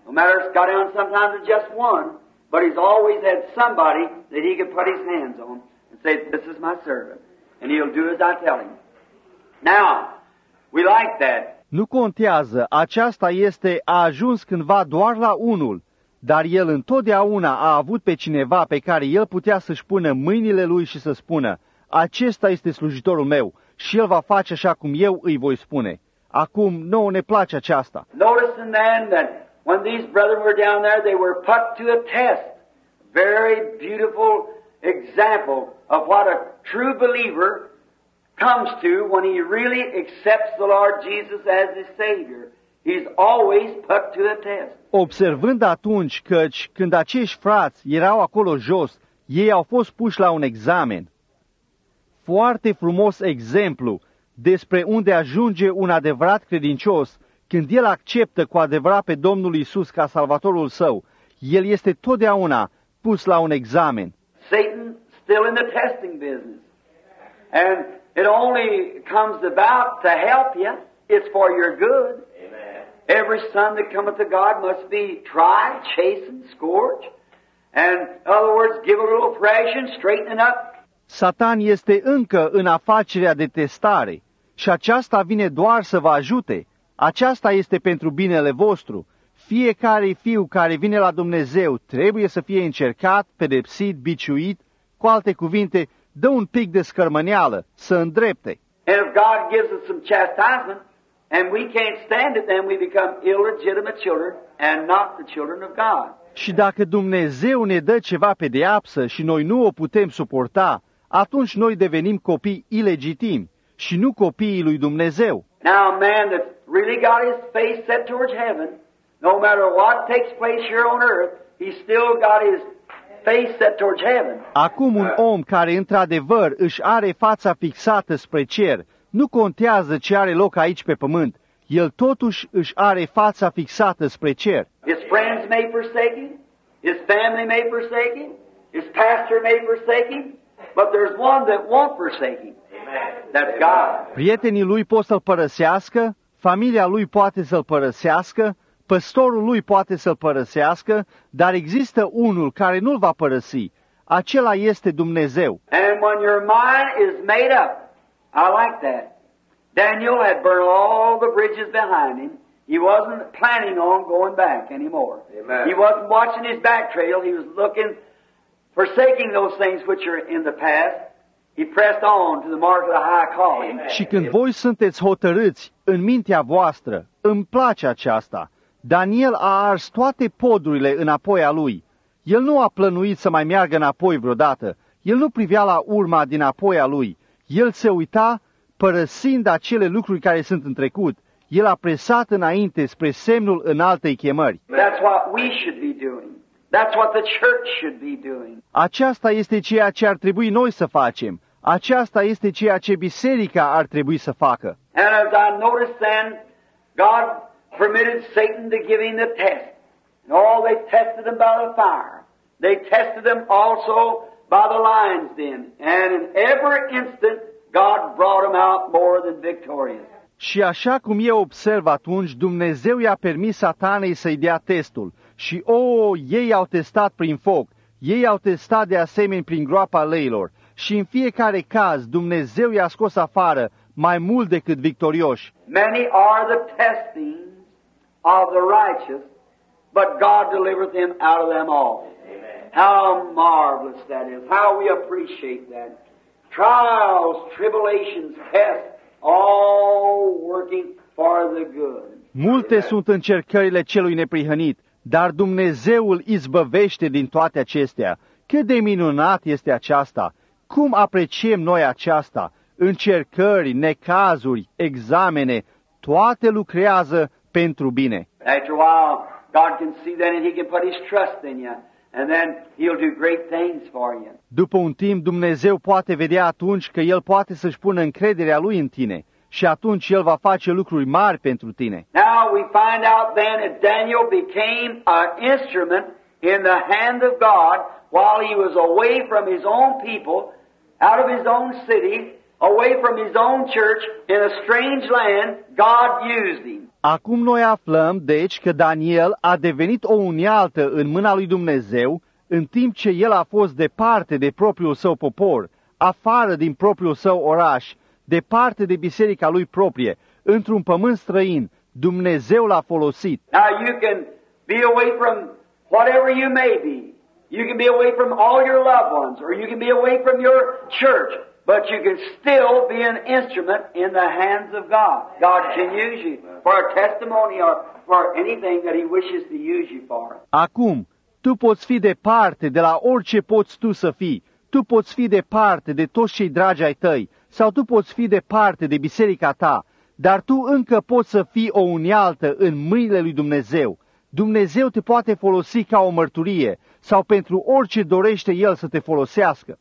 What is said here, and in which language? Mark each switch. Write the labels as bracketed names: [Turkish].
[English] No matter if it's got down sometimes it's just one. But he's always had somebody that he could put his hands on and say, this is my servant, and he'll do as I tell him. Now, we like that. [Romanian] Nu contează, aceasta este, a ajuns cândva doar la unul, dar el întotdeauna a avut pe cineva pe care el putea să-și pună mâinile lui și să spună, acesta este slujitorul meu și el va face așa cum eu îi voi spune. Acum, nouă ne place aceasta. [English] Notice in the end that when these brethren were down there, they were put to a test. Very beautiful example of what a true believer comes to when he really accepts the Lord Jesus as his Savior. He's always put to a test. [Romanian] Observând atunci căci când acești frați erau acolo jos, ei au fost puși la un examen. Foarte frumos exemplu despre unde ajunge un adevărat credincios. Când el acceptă cu adevărat pe Domnul Iisus ca Salvatorul său, el este totdeauna pus la un examen. [English] Satan still in the testing business. And it only comes about to help you. It's for your good. Amen. Every son that cometh to God must be tried, chastened, scourged. And in other words, give a little thrashing, straighten it up. [Romanian] Satan este încă în afacerea de testare și aceasta vine doar să vă ajute. Aceasta este pentru binele vostru. Fiecare fiu care vine la Dumnezeu trebuie să fie încercat, pedepsit, biciuit. Cu alte cuvinte, dă un pic de scărmăneală, să îndrepte. [English] And if God gives us some chastisement and we can't stand it, then we become illegitimate children and not the children of God. [Romanian] Și dacă Dumnezeu ne dă ceva pedeapsă și noi nu o putem suporta, atunci noi devenim copii ilegitimi și nu copiii lui Dumnezeu. [English] Now a man that really got his face set towards heaven, no matter what takes place here on earth, he still got his face set towards heaven. [Romanian] Acum un om care într-adevăr își are fața fixată spre cer, nu contează ce are loc aici pe pământ, el totuși își are fața fixată spre cer. [English] His friends may forsake him, his family may forsake him, his pastor may forsake him, but there's one that won't forsake him. That's God. [Romanian] Prietenii lui pot să-l părăsească, familia lui poate să-l părăsească, păstorul lui poate să-l părăsească, dar există unul care nu-l va părăsi. Acela este Dumnezeu. [English] And when your mind is made up, I like that. Daniel had burned all the bridges behind him. He wasn't planning on going back anymore. Amen. He wasn't watching his back trail. He was looking, forsaking those things which are in the past. He pressed on to the mark of the high calling. [Romanian] Și când voi sunteți hotărâți în mintea voastră, îmi place aceasta. Daniel a ars toate podurile înapoi a lui. El nu a plănuit să mai meargă înapoi vreodată. El nu privea la urma dinapoi a lui. El se uita părăsind acele lucruri care sunt în trecut, el a presat înainte spre semnul înaltei chemări. [English] That's what we should be doing. That's what the church should be doing. [Romanian] Aceasta este ceea ce ar trebui noi să facem. Aceasta este ceea ce biserica ar trebui să facă. [English] And as I noticed then, God permitted Satan to give him the test. And all they tested him by the fire. They tested him also by the lion's den. And in every instant, God brought him out more than victorious. [Romanian] Și așa cum eu observ atunci, Dumnezeu i-a permis Satanei să-i dea testul. Și, ei au testat prin foc, ei au testat de asemenea prin groapa leilor. Și în fiecare caz, Dumnezeu i-a scos afară mai mult decât victorioși. [English] Many are the testings of the righteous, but God delivers them out of them all. Amen. How marvelous that is. How we appreciate that. Trials, tribulations, tests. All working for the good. [Romanian] Multe sunt încercările celui neprihănit, dar Dumnezeu îl izbăvește din toate acestea. Cât de minunat este aceasta! Cum apreciem noi aceasta? Încercări, necazuri, examene, toate lucrează pentru bine. [English] After a while, God can see that and He can put His trust in you. And then he'll do great things for you. [Romanian] După un timp, Dumnezeu poate vedea atunci că El poate să-și pună încrederea Lui în tine și atunci El va face lucruri mari pentru tine. [English] Now we find out then that Daniel became an instrument in the hand of God while he was away from his own people, out of his own city, away from his own church, in a strange land, God used him. [Romanian] Acum noi aflăm, deci, că Daniel a devenit o unealtă în mâna lui Dumnezeu, în timp ce el a fost departe de propriul său popor, afară din propriul său oraș, departe de biserica lui proprie, într-un pământ străin, Dumnezeu l-a folosit. [English] Now you can be away from whatever you may be. You can be away from all your loved ones, or you can be away from your church, but you can still be an instrument in the hands of God. God can use you for a testimony or for anything that He wishes to use you for. [Romanian] Acum, tu poți fi departe de la orice poți tu să fii. Tu poți fi departe de toți cei dragi ai tăi, sau tu poți fi departe de biserica ta, dar tu încă poți să fii o unealtă în mâinile lui Dumnezeu. Dumnezeu te poate folosi ca o mărturie sau pentru orice dorește El să te folosească.